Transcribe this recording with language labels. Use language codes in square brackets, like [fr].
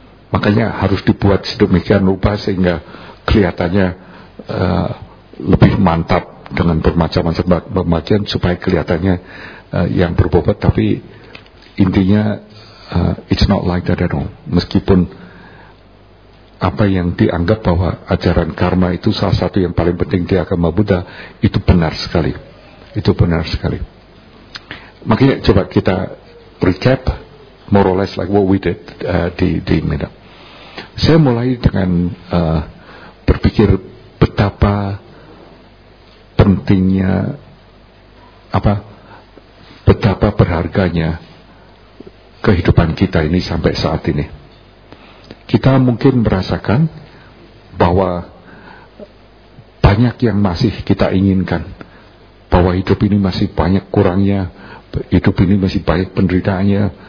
[id] Makanya harus dibuat sedemikian rupa sehingga kelihatannya lebih mantap dengan bermacam-macam supaya kelihatannya yang berbobot, tapi intinya [en] it's not like that at all. [id] Meskipun apa yang dianggap bahwa ajaran karma itu salah satu yang paling penting di agama Buddha, itu benar sekali. Itu benar sekali. Makanya coba kita recap [en] more or less like what we did [id] di Medan. Saya mulai dengan berpikir betapa pentingnya, betapa berharganya kehidupan kita ini sampai saat ini. Kita mungkin merasakan bahwa banyak yang masih kita inginkan, bahwa hidup ini masih banyak kurangnya, hidup ini masih banyak penderitaannya.